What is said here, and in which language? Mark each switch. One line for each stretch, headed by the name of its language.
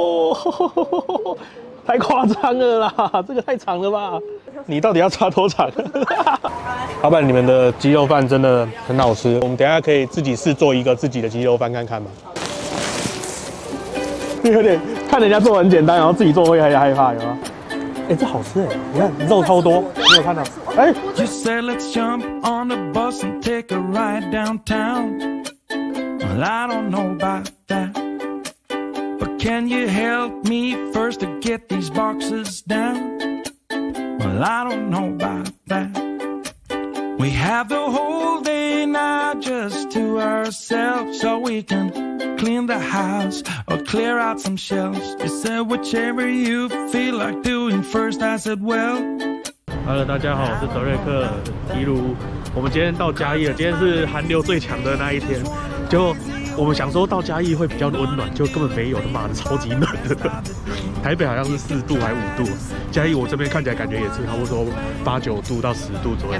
Chinese: 哇，太夸张了啦，这个太长了吧？你到底要插多长？老板，你们的鸡肉饭真的很好吃，我们等一下可以自己试做一个自己的鸡肉饭看看吧。有点看人家做很简单，然后自己做会很害怕，有吗？哎、欸，这好吃哎！你看肉超多，你有看到？
English: 哎、欸，You say let's jump on the bus and take a ride downtown. Well, I don't know about that, but can you help me first to get these boxes down? Well, I don't know about that. We have the whole day now just to ourselves, so we can. Clean the house or clear out some shelves. You said whichever you feel like doing first. I said well.
Chinese: Hello, 大家好，我是德瑞克提鲁。我们今天到嘉义了，今天是寒流最强的那一天。就我们想说到嘉义会比较温暖，就根本没有，他妈的超级冷的。台北好像是四度还五度，嘉义我这边看起来感觉也是差不多八九度到十度左右。